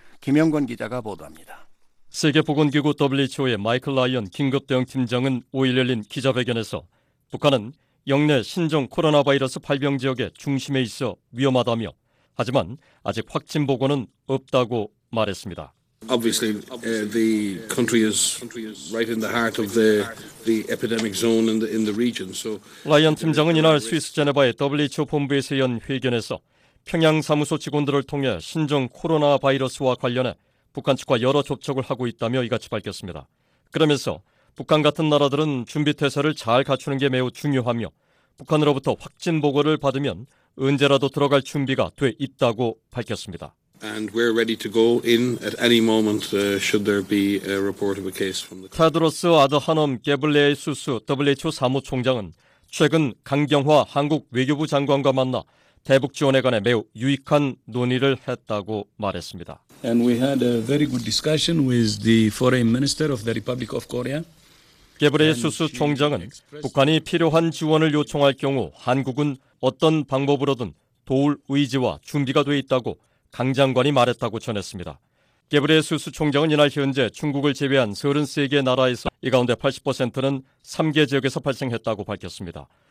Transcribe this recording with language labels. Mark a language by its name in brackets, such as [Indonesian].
[Korean] 김영건 기자가 보도합니다. 세계보건기구 WHO의 마이클 라이언 긴급대응팀장은 5일 열린 기자회견에서 북한은 영내 신종 코로나 바이러스 발병 지역의 중심에 있어 위험하다며 하지만 아직 확진 보고는 없다고 말했습니다. [English] Obviously, the country is right in the heart of the epidemic zone in the region. So [Korean] 라이언 팀장은 이날 스위스 제네바의 WHO 본부에서 연 회견에서 평양 사무소 직원들을 통해 신종 코로나 바이러스와 관련해 북한 측과 여러 접촉을 하고 있다며 이같이 밝혔습니다. 그러면서 북한 같은 나라들은 준비 태세를 잘 갖추는 게 매우 중요하며 북한으로부터 확진 보고를 받으면 언제라도 들어갈 준비가 돼 있다고 밝혔습니다. [English] And we're ready to go in at any moment should there be a report of a case from the. [Korean] 테드로스 아드하넘 게블레이수스 WHO 사무총장은 최근 강경화 한국 외교부 장관과 만나 대북 지원에 관해 매우 유익한 논의를 했다고 말했습니다. [English] And we had a very good discussion with the foreign minister of the Republic of Korea. [Korean] 게브레이수스 총장은 북한이 필요한 지원을 요청할 경우 한국은 어떤 방법으로든 도울 의지와 준비가 돼 있다고 강 장관이 말했다고 전했습니다. 게브레이수스 총장은 이날 현재 중국을 제외한 33개 나라에서 이 가운데 80%는 3개 지역에서 발생했다고 밝혔습니다.